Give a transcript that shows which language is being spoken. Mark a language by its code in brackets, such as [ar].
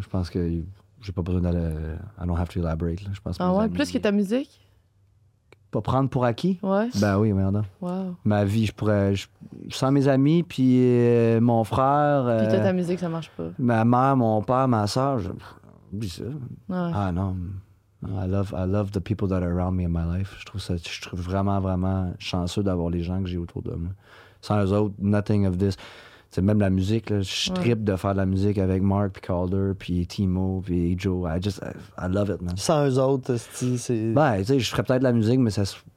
[fr] Je pense que j'ai pas besoin d'aller. [en] I don't have to elaborate. [fr] Je pense que plus que ta musique? Pas prendre pour acquis? Ouais. Ben oui, merde. Wow. Ma vie, je pourrais... Sans mes amis, puis mon frère... Puis toi, ta musique, ça marche pas. Ma mère, mon père, ma soeur, je... Oublie ça. Ouais. Ah non. [en] I love the people that are around me in my life. [fr] Je trouve ça... Je trouve vraiment, vraiment chanceux d'avoir les gens que j'ai autour de moi. Sans eux autres, [en] nothing of this. [fr] C'est même la musique, là. Je trippe de faire de la musique avec Mark, puis Calder, puis Timo, puis Joe. [en] I love it, man. [fr] Sans eux autres, c'est... Ben, tu sais, je ferais peut-être de la musique, mais ça se...